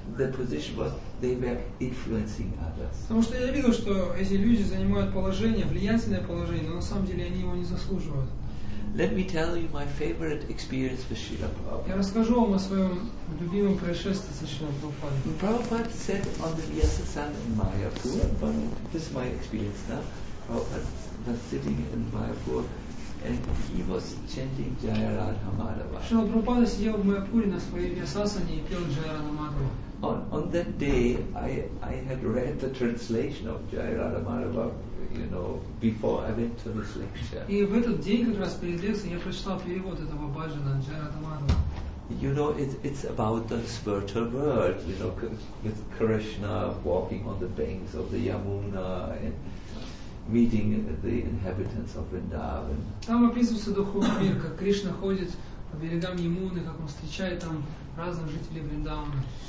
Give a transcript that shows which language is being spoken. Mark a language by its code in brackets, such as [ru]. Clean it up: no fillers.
[en] The position was they were influencing others. [ru] Потому что я видел, что эти люди занимают положение, влиятельное положение, но на самом деле они его не заслуживают. [en] Let me tell you my favorite experience with Srila Prabhupada. [ru] Я расскажу вам о своем любимом происшествии с Шрилой Прабхупадой. [en] Prabhupada said on the Vyasasan in Mayapur, this is my experience now, Prabhupada was sitting in Mayapur and he was chanting Jaya Radha Madhava. [ru] Шрила Прабхупада сидел в Майяпуре на своей Вьясасане и пел Джая Радха Мадхава. [en] on that day, I had read the translation of Jayarada Madhava, you know, before I went to this lecture. [ru] И в этот день, как раз перед лекцией, я прочитал перевод этого баджана Джайрада Мадхава. [en] You know, it's about the spiritual world, you know, with Krishna walking on the banks of the Yamuna and meeting the inhabitants of Vrindavan. [ru] Там описывается духовный мир, как Кришна ходит по берегам Ямуны, как он встречает там разных жителей Вриндавана.